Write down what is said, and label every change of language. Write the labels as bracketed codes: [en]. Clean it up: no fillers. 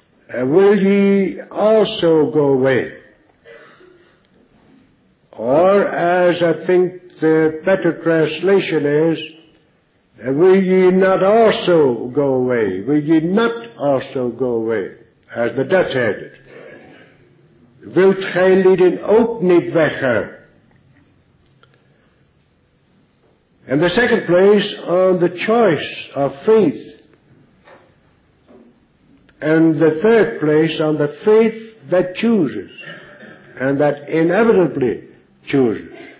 [en] Will ye also go away? Or, as I think the better translation is, will ye not also go away? Will ye not also go away? As the Dutch had it. [nl] Wilt gij lieden ook niet weggaan? [en] In the second place, on the choice of faith. And the third place, on the faith that chooses, and that inevitably chooses.